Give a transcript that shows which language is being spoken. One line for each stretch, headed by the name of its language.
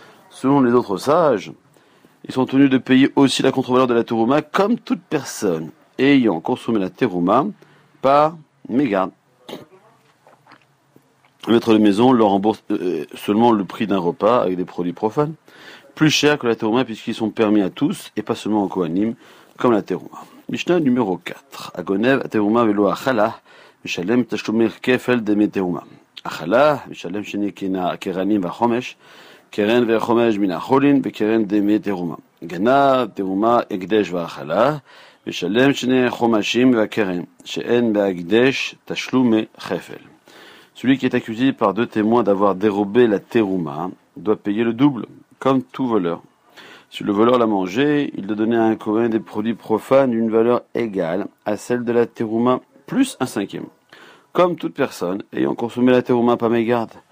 French: Selon les autres sages, ils sont tenus de payer aussi la contre-valeur de la terouma, comme toute personne ayant consommé la terouma par mégarde. Le maître de maison leur rembourse seulement le prix d'un repas avec des produits profanes, plus cher que la terouma, puisqu'ils sont permis à tous, et pas seulement aux Kohanim, comme la terouma. Mishnah numéro 4.
Hebrew: Agonev, terouma, velo, achala. משלם תשלומי כפל דמי תרומה. אכלה, משלם שני קרנים וחומש, קרן וחומש מן החולין וקרן דמי תרומה. גנב, תרומה, הקדש ואכלה, משלם שני חומשים והקרן, שאין בהקדש תשלומי כפל.
French: Celui qui est accusé par deux témoins d'avoir dérobé la terouma doit payer le double, comme tout voleur. Si le voleur l'a mangé, il doit donner à un Cohen des produits profanes d'une valeur égale à celle de la terouma, plus un cinquième, comme toute personne ayant consommé la terouma par mégarde.